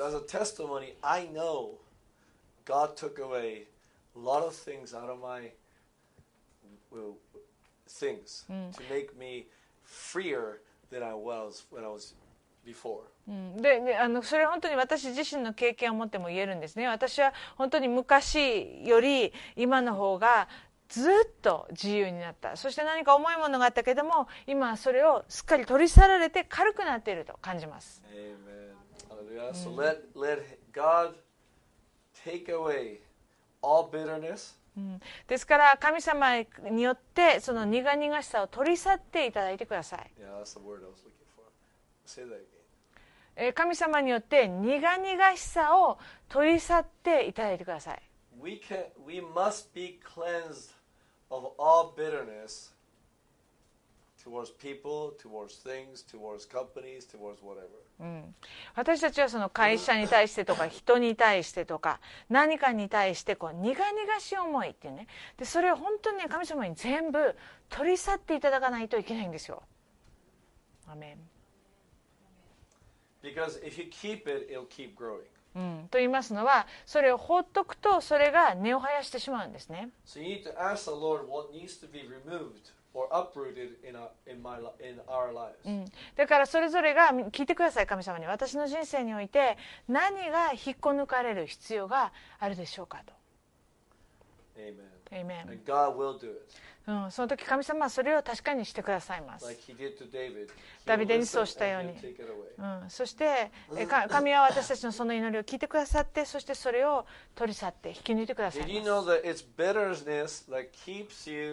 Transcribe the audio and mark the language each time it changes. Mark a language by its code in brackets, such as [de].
[en] Because as a testimony, I know God took away a lot of things out of my things to make me freer than I was when I was before. [ja] で、それは本当に私自身の経験を持っても言えるんですね。私は本当に昔より今の方がずっと自由になった。そして何か重いものがあったけども、今はそれをすっかり取り去られて軽くなっていると感じます。 [en] Amen. Hallelujah. So let God take away all bitterness. [ja] ですから神様によってその苦々しさを取り去っていただいてください。 [en] Yeah, that's the word I was looking for. Say that again. [ja] 神様によって苦々しさを取り去っていただいてください。 [en] We must be cleansed of all bitterness towards people, towards things, towards companies, towards whatever. [ja] 私たちはその会社に対してとか人に対してとか何かに対してこう苦々しい思いっていうね、でそれを本当に神様に全部取り去っていただかないといけないんですよ。アメン。 [en] Because if you keep it, it'll keep growing. [ja] と言いますのは、それを放っとくとそれが根を生やしてしまうんですね。 [en] So you need to ask the Lord what needs to be removed or uprooted in our lives. [ja] だからそれぞれが聞いてください、神様に。私の人生において何が引っこ抜かれる必要があるでしょうかと。 [en] Amen. Amen. And God will do it. [ja] その時神様はそれを確かにしてくださいます。 [en] Like、 [ja] ダビデにそうしたように、そして神は私たちのその祈りを聞いてくださって、そしてそれを取り去って引き抜いてくださいます。 [en] Did you know that it's bitterness that keeps